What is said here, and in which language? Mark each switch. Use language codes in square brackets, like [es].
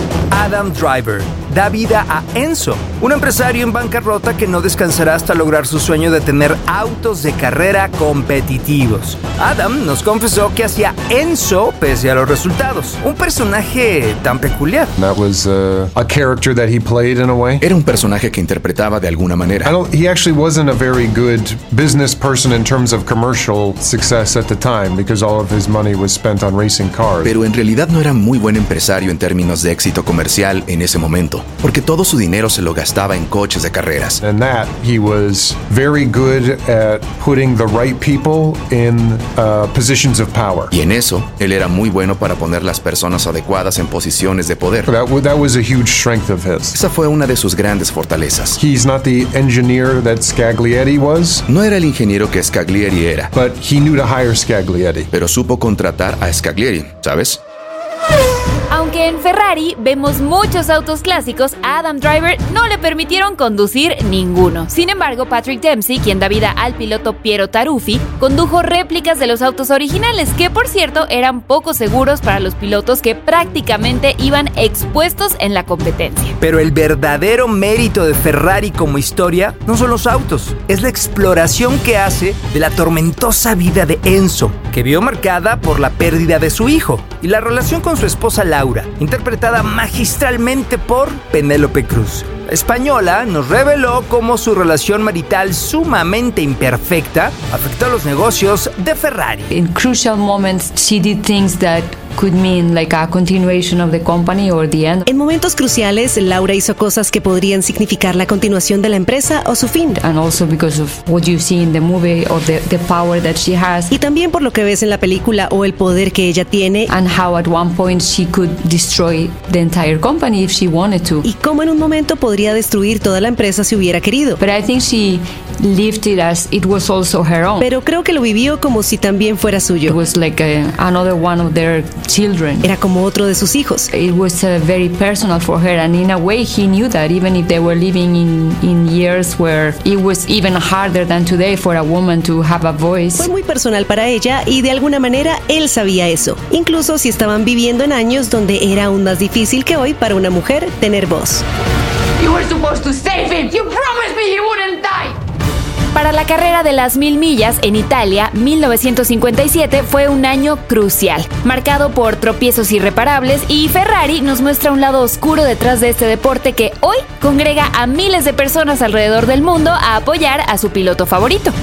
[es] Adam Driver da vida a Enzo, un empresario en bancarrota que no descansará hasta lograr su sueño de tener autos de carrera competitivos. Adam nos confesó que hacía Enzo pese a los resultados, un personaje tan peculiar. [en] That was a character that he played in a way. [es] Era un personaje que interpretaba de alguna manera. [en] He actually wasn't a very good business person in terms of commercial success at the time because all of his money was spent on racing cars. [es] Pero en realidad no era muy buen empresario en términos de éxito comercial en ese momento, porque todo su dinero se lo gastaba en coches de carreras. [en] And that he was very good at putting the right people in positions of power. [es] Y en eso, él era muy bueno para poner las personas adecuadas en posiciones de poder. [en] That was a huge strength of his. [es] Esa fue una de sus grandes fortalezas. [en] He's not the engineer that Scaglietti was. [es] No era el ingeniero que Scaglietti era. [en] But he knew to hire Scaglietti. [es] Pero supo contratar a Scaglietti, ¿sabes? Aunque en Ferrari vemos muchos autos clásicos, a Adam Driver no le permitieron conducir ninguno. Sin embargo, Patrick Dempsey, quien da vida al piloto Piero Taruffi, condujo réplicas de los autos originales, que por cierto eran poco seguros para los pilotos que prácticamente iban expuestos en la competencia. Pero el verdadero mérito de Ferrari como historia no son los autos, es la exploración que hace de la tormentosa vida de Enzo, que vio marcada por la pérdida de su hijo y la relación con su esposa Laura, interpretada magistralmente por Penélope Cruz. La española nos reveló cómo su relación marital sumamente imperfecta afectó los negocios de Ferrari. [en] In crucial moments, she did things that could mean like a continuation of the company or the end. [es] En momentos cruciales, Laura hizo cosas que podrían significar la continuación de la empresa o su fin. [en] And also because of what you see in the movie or the power that she has. [es] Y también por lo que ves en la película o el poder que ella tiene. [en] And how at one point she could destroy the entire company if she wanted to. [es] Y cómo en un momento podría destruir toda la empresa si hubiera querido. [en] But I think she lived it as it was also her own. [es] Pero creo que lo vivió como si también fuera suyo. [en] It was like another one of their children. [es] Era como otro de sus hijos. [en] It was very personal for her, and in a way he knew that even if they were living in years where it was even harder than today for a woman to have a voice. [es] Fue muy personal para ella y de alguna manera él sabía eso, incluso si estaban viviendo en años donde era aún más difícil que hoy para una mujer tener voz. [en] You were supposed to save him. You promised me he wouldn't die. [es] Para la carrera de las mil millas en Italia, 1957 fue un año crucial, marcado por tropiezos irreparables, y Ferrari nos muestra un lado oscuro detrás de este deporte que hoy congrega a miles de personas alrededor del mundo a apoyar a su piloto favorito.